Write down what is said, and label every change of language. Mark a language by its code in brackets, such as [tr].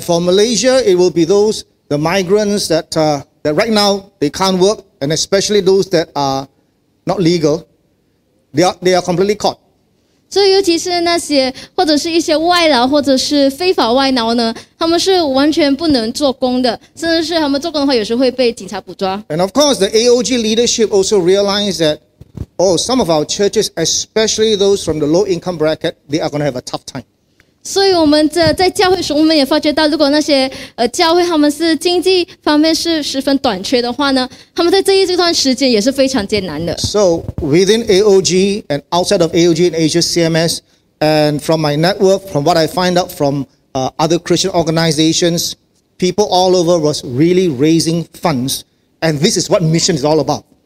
[en] for Malaysia, it will be those the migrants that that right now they can't work, and especially those that are not legal, they are completely caught. [zh] 所以尤其是那些或者是一些外劳或者是非法外劳呢，他们是完全不能做工的，甚至是他们做工的话，有时候会被警察捕抓。 [en] And of course, the AOG leadership also realized that, oh, some of our churches, especially those from the low income bracket, they are going to have a tough time. [zh] 所以我们在教会时，我们也发觉到，如果那些教会他们是经济方面是十分短缺的话呢，他们在这一段时间也是非常艰难的。 [en] So within AOG and outside of AOG and Asia CMS, and from my network, from what I find out from other Christian organizations, people all over was really raising funds, and this is what mission is all about.